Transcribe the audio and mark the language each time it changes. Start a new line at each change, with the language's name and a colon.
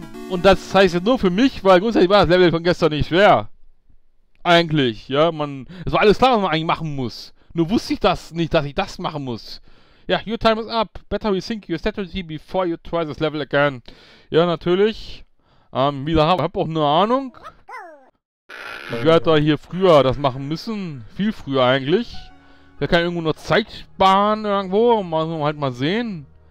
German: Und das heißt jetzt nur für mich, weil grundsätzlich war das Level von gestern nicht schwer. Eigentlich, ja, es war alles klar, was man eigentlich machen muss. Nur wusste ich das nicht, dass ich das machen muss.
English: Ja, your time is up. Better rethink your strategy before you try this level again.
German: Ja, natürlich. Wieder hab auch eine Ahnung. Ich werde da hier früher das machen müssen. Viel früher eigentlich. Da kann ich irgendwo noch Zeit sparen irgendwo. Mal halt mal sehen.